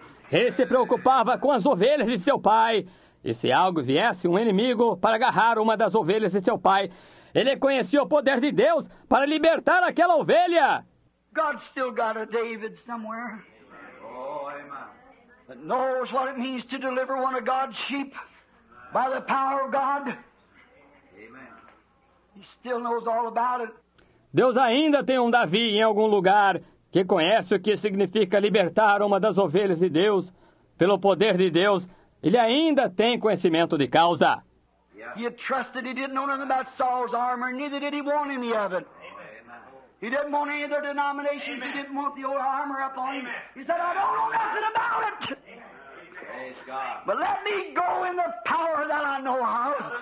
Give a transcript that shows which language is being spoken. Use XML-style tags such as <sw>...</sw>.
<pt>Ele se preocupava com as ovelhas de seu pai. E se algo viesse, um inimigo, para agarrar uma das ovelhas de seu pai, ele conhecia o poder de Deus para libertar aquela ovelha.</pt> <en>God still got a David somewhere. Oh, amen. That knows what it means to deliver one of God's sheep by the power of God. Amen. He still knows all about it.</en> <pt>Deus ainda tem um Davi em algum lugar que conhece o que significa libertar uma das ovelhas de Deus pelo poder de Deus. Ele ainda tem conhecimento de causa.</pt> <en>He had trusted, he didn't know nothing about Saul's armor, neither did he want any of it. He didn't want any of their denominations. Amen. He didn't want the old armor up on Amen. Him. He said, I don't know nothing about it. Amen. But let me go in the power that I know of.</en>